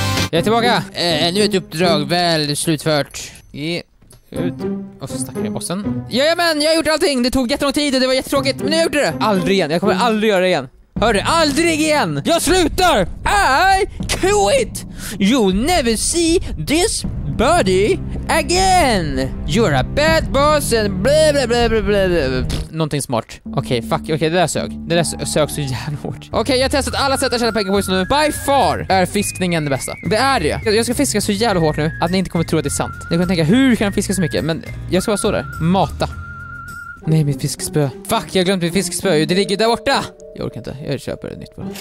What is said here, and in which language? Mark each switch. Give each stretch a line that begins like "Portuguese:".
Swedish: Jag är tillbaka. Nu är ett uppdrag väl slutfört. Ut. Och så stackar jag bossen. Jajamän, jag har gjort allting. Det tog jättelång tid och det var jättetråkigt. Men nu gjorde det. Aldrig igen, jag kommer aldrig göra det igen. Hörru, aldrig igen. Jag slutar.
English: I quit. You'll never see this body again. You're a bad boss and blah blah blah blah blah.
Swedish: Någonting smart. Okej, okay, fuck. Okej, okay, det där sög. Det där sög så jävla hårt. Okej, okay, jag har testat alla sätt att tjäna pengar på just nu.
English: By far
Swedish: är fiskningen det bästa. Det är det. Jag ska fiska så jävla hårt nu att ni inte kommer tro att det är sant. Ni kommer tänka, hur kan jag fiska så mycket? Men jag ska bara stå där. Mata. Nej, mitt fiskspö. Fuck, jag glömde mitt fiskspö. Det ligger där borta. Jag orkar inte. Jag köper ett nytt bara.